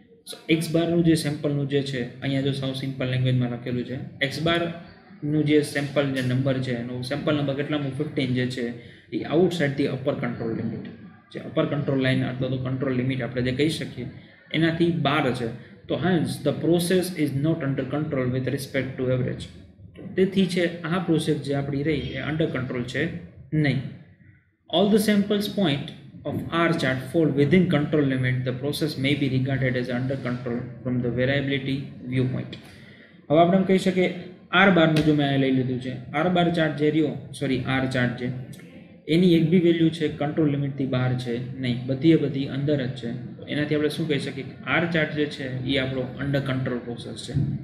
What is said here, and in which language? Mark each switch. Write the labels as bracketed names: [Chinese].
[Gujarati] સો x બારનું જે સેમ્પલનું જે છે, અહીંયા જો સૌ સિમ્પલ લેંગ્વેજમાં લખેલું છે, એક્સ બારનું જે સેમ્પલ જે નંબર છે એનો સેમ્પલ નંબર કેટલામું 15 જે છે એ [English] outside the upper control limit, [Gujarati] જે અપર કંટ્રોલ લાઇન અથવા તો કંટ્રોલ લિમિટ આપણે જે કહી શકીએ એનાથી 12 છે. [English] તો hence the process is not under control with respect to average. [Gujarati] તેથી છે આ પ્રોસેસ જે આપણી રહી એ અંડર કંટ્રોલ છે નહીં. [English] All the samples point of R chart fall within control limit, the process may be regarded as under control from the variability viewpoint. [Gujarati] હવે આપણે એમ કહી શકીએ આર બારનું જો મેં અહીંયા લઈ લીધું છે, આર બાર ચાર્ટ જે રહ્યો, સોરી આર ચાર્ટ જે, એની એક બી વેલ્યુ છે કંટ્રોલ લિમિટથી બહાર છે નહીં, બધી બધી અંદર જ છે. એનાથી આપણે શું કહી શકીએ કે આર ચાર્ટ જે છે એ આપણો અંડર કંટ્રોલ પ્રોસેસ છે.